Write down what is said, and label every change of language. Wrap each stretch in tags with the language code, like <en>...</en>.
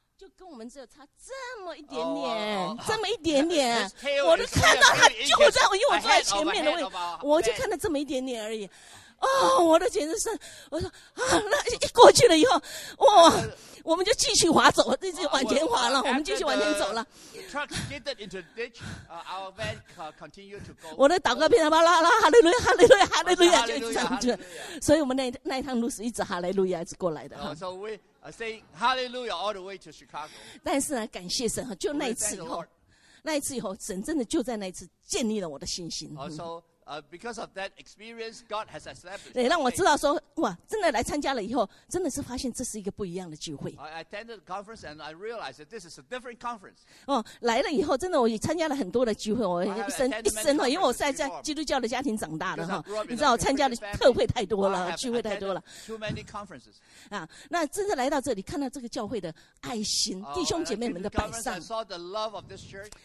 <zh>就跟我们只有差这么一点点 这么一点点 我都看到他就在我因为我坐在前面的位置我就看到这么一点点而已哦、oh, ，我的简直是，我说啊，那一过去了以后，哇，我们就继续滑走，一直往前滑了， well, 我们继续往前走了。</zh> <en>Truck skidded into ditch, our van continued to go.</en> <zh>我的祷告变成巴拉拉哈利路亚哈利路亚哈利路亚，就一直唱着。所以我们那一趟路是一直哈利路亚一直过来的。</zh> <en>So we say hallelujah all the way to Chicago.</en> <zh>但是呢，感谢神哈，就那一次以后，神真的就在那一次建立了我的信心。</zh> <en>Because of that experience, God has established.</en> <zh>对，让我知道说，哇，真的来参加了以后，真的是发现这是一个不一样的聚会。</zh> <en>I attended the conference and I realized that this is a different conference.</en> <zh>哦，来了以后，真的我也参加了很多的聚会，我一生哦，因为我是在基督教的家庭长大的哈，你知道我参加的特会太多了，聚会太多了。</zh> <en>Too many conferences.</en> <zh>啊，那真的来到这里，看到这个教会的爱心，弟兄姐妹们的摆上。</zh> <en>I saw the love of this church.</en>